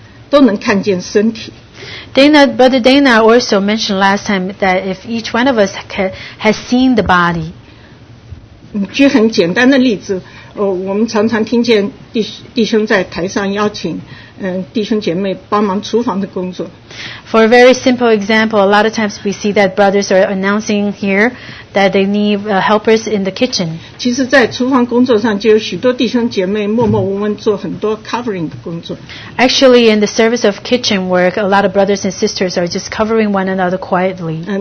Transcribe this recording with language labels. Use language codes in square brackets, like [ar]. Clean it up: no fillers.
[en] Dana, Brother Dana also mentioned last time that if each one of us has seen the body. [zh] 举很简单的例子, 我们常常听见弟兄在台上邀请 弟兄姐妹帮忙厨房的工作。 [en] For a very simple example, a lot of times we see that brothers are announcing here that they need helpers in the kitchen. [zh] 其实在厨房工作上就有许多弟兄姐妹默默无闻做很多covering的工作。 [en] Actually, in the service of kitchen work, a lot of brothers and sisters are just covering one another quietly.